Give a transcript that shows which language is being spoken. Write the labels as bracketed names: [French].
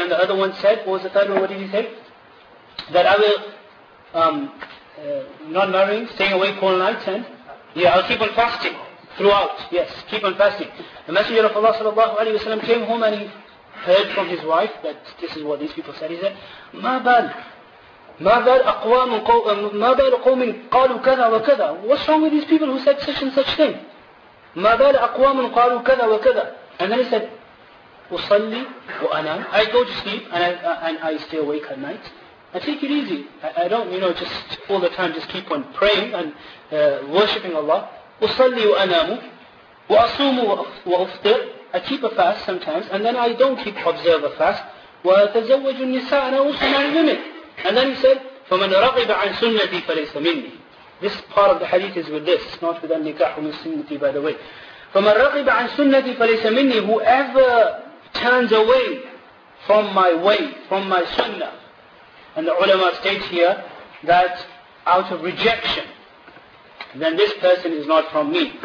[English] And the other one said, what was the third one, what did he say? That I will not marry, staying awake all night, and yeah, I'll keep on fasting throughout. Yes, keep on fasting. The Messenger of Allah sallallahu alayhi wa sallam came home and he heard from his wife that this is what these people said. He said, [Arabic] ما بال أقوام قالوا كذا وكذا. [English] What's wrong with these people who said such and such thing? [Arabic] ما بال أقوام قالوا كذا وكذا. [English] And then he said, [Arabic] أصلي وأنام. [English] I go to sleep and I stay awake at night. I take it easy. I don't, you know, just all the time just keep on praying and worshipping Allah. [Arabic] أصلي وأنام وأصوم وأفطر. [English] I keep a fast sometimes, and then I don't keep observe a fast. [Arabic] وَتَزَوَّجُ النِّسَاءَ أَنَا أُوصُ مَعِ الْوِمِنِ. [English] And then he said, [Arabic] فَمَنْ رَغِبَ عَنْ سُنَّتِي فَلَيْسَ مِنِّي. [English] This part of the hadith is with this, not with the nikah from sunnati, by the way. [Arabic] فَمَنْ رَغِبَ عَنْ سُنَّتِي فَلَيْسَ مِنِّي. [English] Whoever turns away from my way, from my sunnah. And the ulama states here that out of rejection, then this person is not from me.